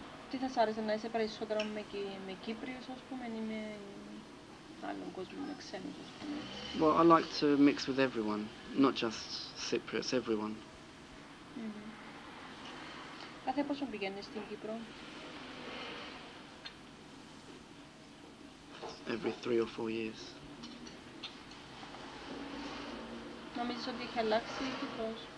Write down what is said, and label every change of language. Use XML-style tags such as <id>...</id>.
<el>Τι θα σ' άρεσε να είσαι περισσότερο με Κύπριους, ας πούμε, ή με άλλον κόσμο, με ξένους, ας πούμε?</el> <en>Well, I like to mix with everyone, not just Cypriots, everyone.</en> <el>Κάθε πόσο πηγαίνεις στην Κύπρο?</el> <en>Every 3 or 4 years.</en> <el>Νομίζεις ότι έχει αλλάξει η Κύπρος?</el>